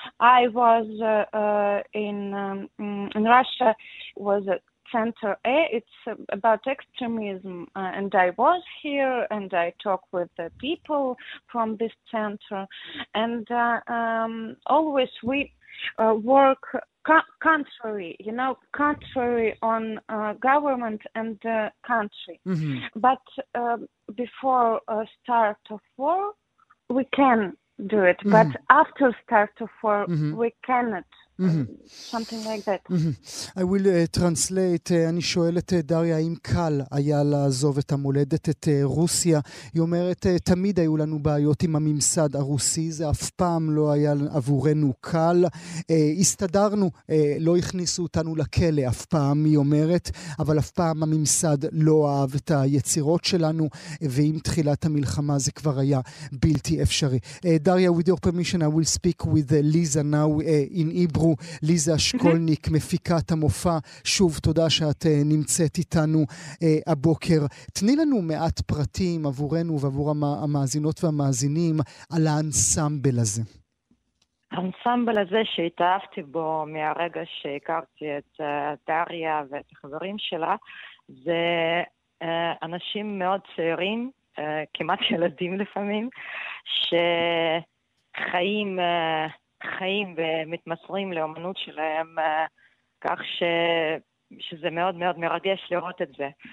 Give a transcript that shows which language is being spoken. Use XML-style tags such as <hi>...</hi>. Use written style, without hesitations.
<en>I was in Russia, was a center A, it's about extremism, and I was here and I talk with the people from this center, and always we work contrary, you know, contrary on government and country. Mm-hmm. But before start of war we can do it. Mm-hmm. But after start of war, mm-hmm, we cannot. Mm-hmm. Something like that. Mm-hmm. I will translate.</en> <he>אני שואלת דריה, האם קל היה לעזוב את המולדת, את רוסיה? היא אומרת, תמיד היו לנו בעיות עם הממסד הרוסי, זה אף פעם לא היה עבורנו קל. הסתדרנו, לא הכניסו אותנו לכלא אף פעם, היא אומרת, אבל אף פעם הממסד לא אהב את היצירות שלנו, ועם תחילת המלחמה זה כבר היה בלתי אפשרי.</he> <en>דריה, with your permission, I will speak with Lisa now in Hebrew.</en> <he>ליזה שקולניק, מפיקת המופע, שוב תודה שאת נמצאת איתנו הבוקר. תני לנו מעט פרטים עבורנו ועבור המאזינות והמאזינים על האנסמבל הזה. האנסמבל הזה שהתאהבתי בו מהרגע שהכרתי את דריה ואת החברים שלה, זה אנשים מאוד צעירים, כמעט ילדים לפעמים, שחיים חיים ומתמסרים לאמנות שלהם, כך שזה מאוד מאוד מרגש לראות את זה.</he>